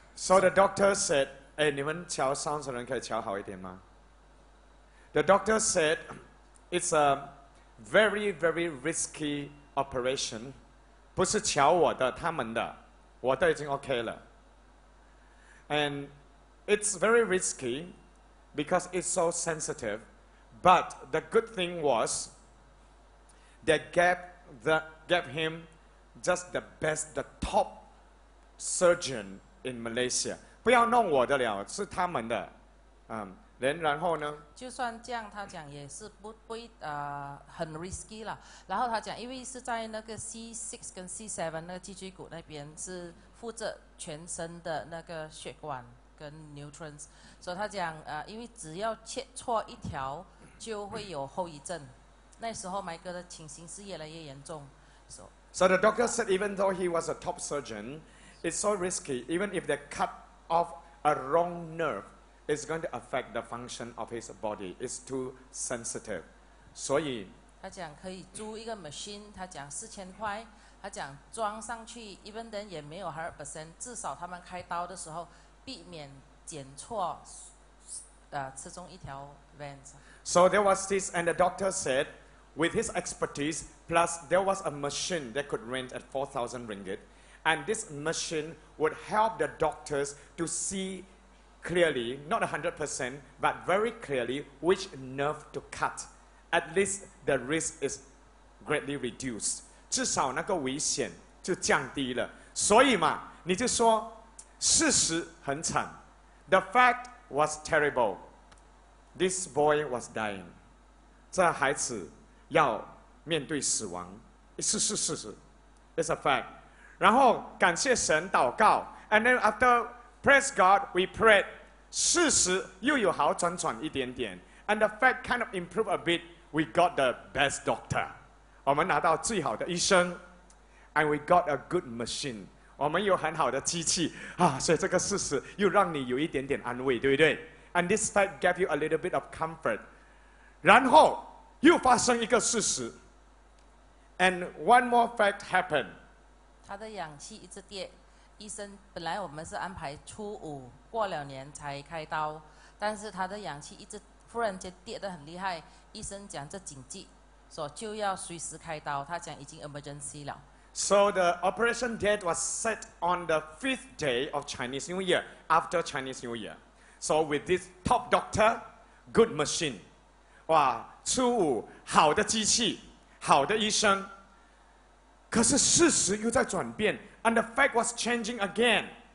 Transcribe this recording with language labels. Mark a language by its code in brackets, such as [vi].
[en] So the doctor said, [zh] 你们瞧伤的人可以瞧好一点吗 [en] ？The doctor said, it's a very very risky operation. [zh] 不是瞧我的，他们的，我的已经 OK 了。 [en] And it's very risky because it's so sensitive. But the good thing was. They gave him just the best, the top surgeon in Malaysia. [zh] 不要弄我的了，是他们的。然后呢？就算这样，他讲也是不很 risky 了。然后他讲，因为是在那个 C6 跟 C7 那个脊椎骨那边是负责全身的那个血管跟 nutrients， 所以他讲因为只要切错一条，就会有后遗症。那时候 Michael 的情形是越来越严重 [en] So the doctor said even though he was a top surgeon it's so risky even if they cut off a wrong nerve it's going to affect the function of his body it's too sensitive [zh] 所以他讲可以租一个 machine 他讲4000块他讲装上去 [en] even then [zh] 也没有 100% 至少他们开刀的时候避免剪错刺中一条 vent [en] So there was this and the doctor saidWith his expertise, plus there was a machine that could rent at 4,000 ringgit, and this machine would help the doctors to see clearly, not 100%, but very clearly which nerve to cut. At least the risk is greatly reduced. [zh] 至少那个危险就降低了。所以嘛，你就说事实很惨。 [en] The fact was terrible. This boy was dying. [zh] 这孩子。要面对死亡，是 ， [en] it's a fact。 [zh] 然后感谢神祷告 ， [en] and then after Praise God, we prayed. [zh] 事实又有好转转一点点, [en] and the fact kind of improved a bit. We got the best doctor. [zh] 我们拿到最好的医生, [en] and we got a good machine. [zh] 我们有很好的机器, 啊, 所以这个事实又让你有一点点安慰, 对不对? [en] And this fact gave you a little bit of comfort. [zh] 然后又发生一个事实, [en] and one more fact happened. [zh] 他的氧气一直跌, 医生本来我们是安排初五, 过了年才开刀, 但是他的氧气一直突然间跌得很厉害, 医生讲这紧急, 所以就要随时开刀, 他讲已经 emergency 了。 [en] So the operation date was set on the fifth day of Chinese New Year, after Chinese New Year. So with this top doctor, good machine, [zh] 哇, 初五, 好的机器, 好的医生, 可是事实又在转变, [en] and the fact was changing again.